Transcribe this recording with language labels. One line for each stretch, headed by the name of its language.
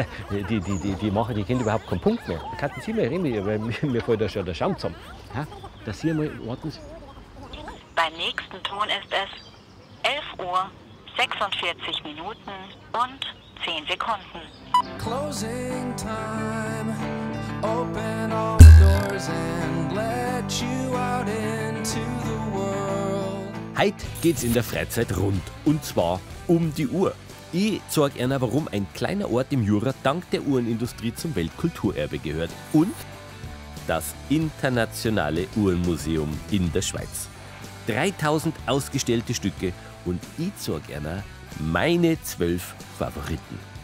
German: Die kennt überhaupt keinen Punkt mehr. Kannten Sie mal reden, weil mir fällt da schon der Schaum zusammen. Hä? Dass Sie einmal warten. Beim nächsten Ton ist es 11 Uhr 46 Minuten und 10 Sekunden.
English: Closing time. Open all the doors and let you out into the world.
German: Heute geht's in der Freizeit rund. Und zwar um die Uhr. Ich zeige Ihnen, warum ein kleiner Ort im Jura dank der Uhrenindustrie zum Weltkulturerbe gehört und das Internationale Uhrenmuseum in der Schweiz. 3000 ausgestellte Stücke und ich zeige Ihnen meine 12 Favoriten.